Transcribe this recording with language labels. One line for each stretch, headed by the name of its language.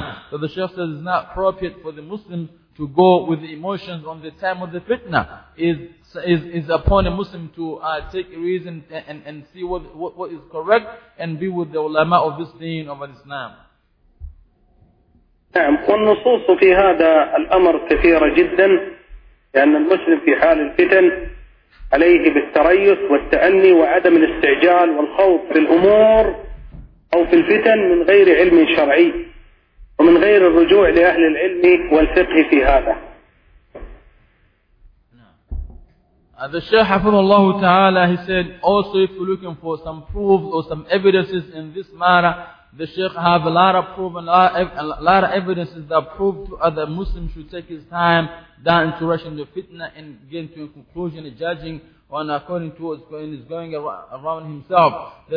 English: So the Shaykh says it's not appropriate for the Muslim to go with the emotions on the time of the fitna. Is upon a Muslim to take reason and see what is correct and be with the ulama of this deen of Islam.
Arabic: نعم، والنصوص في هذا الأمر كثيرة جدا، لأن المسلم في حال الفتن عليه بالتريث والتأني وعدم الاستعجال والخوف في الأمور أو في الفتن من غير علم شرعي ومن غير الرجوع لأهل العلم والفقه في هذا.
English: The Shaykh حفظه الله تعالى, he said, also if you're looking for some proof or some evidences in this matter, the Shaykh have a lot of proof and a lot of evidences that prove to other Muslims should take his time down to rush into fitna and get to a conclusion, a judging on according to what's going, is going around himself.